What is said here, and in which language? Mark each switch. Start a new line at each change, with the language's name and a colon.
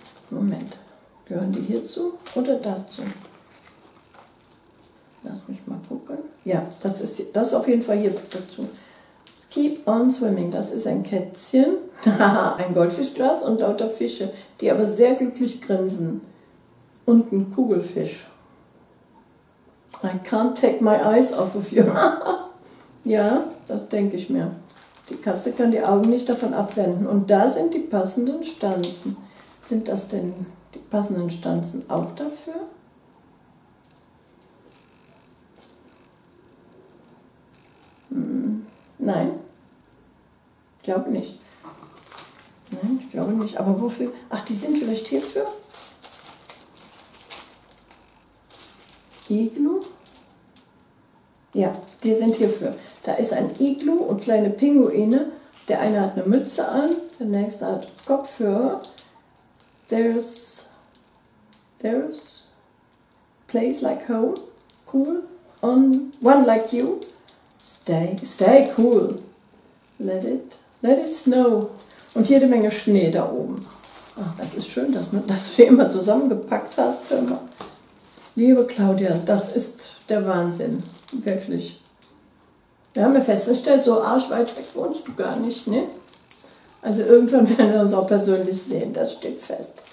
German: Moment. Gehören die hierzu oder dazu? Lass mich mal gucken. Ja, das ist auf jeden Fall hier dazu.
English: Keep on swimming.
German: Das ist ein Kätzchen. Ein Goldfischglas und lauter Fische, die aber sehr glücklich grinsen. Und ein Kugelfisch.
English: I can't take my eyes off of you.
German: Ja, das denke ich mir. Die Katze kann die Augen nicht davon abwenden. Und da sind die passenden Stanzen. Sind das denn die passenden Stanzen auch dafür? Nein. Ich glaube nicht. Nein, ich glaube nicht. Aber wofür? Ach, die sind vielleicht hierfür? Iglu? Ja, die sind hierfür. Da ist ein Iglu und kleine Pinguine. Der eine hat eine Mütze an, der nächste hat Kopfhörer.
English: There's place like home, cool, on one like you. Stay cool. Let it snow.
German: Und jede Menge Schnee da oben. Ach, das ist schön, dass du die immer zusammengepackt hast. Liebe Claudia, das ist der Wahnsinn. Wirklich. Wir haben ja festgestellt, so arschweit weg wohnst du gar nicht, ne? Also irgendwann werden wir uns auch persönlich sehen, das steht fest.